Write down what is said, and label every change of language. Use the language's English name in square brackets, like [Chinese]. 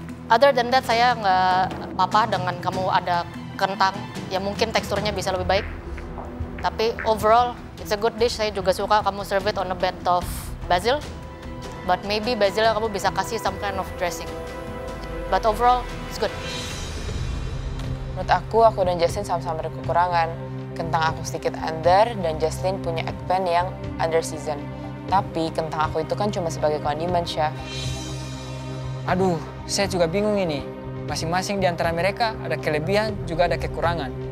[English] Other than that, [Indonesian] saya nggak apa-apa dengan kamu ada kentang. Ya mungkin teksturnya bisa lebih baik. [English] Tapi overall, it's a good dish. [Indonesian] Saya juga suka kamu [English] serve it on a bed of basil. But maybe basil [Indonesian] kamu bisa kasih [English] some kind of dressing. But overall, it's good. [Indonesian] Menurut aku dan Justin sama-sama ada kekurangan. Kentang aku sedikit under, dan Justin punya eggplant yang [English] under season. [Indonesian] Tapi kentang aku itu kan cuma sebagai kondimen, Chef. Aduh, saya juga bingung ini. Masing-masing di antara mereka ada kelebihan, juga ada kekurangan.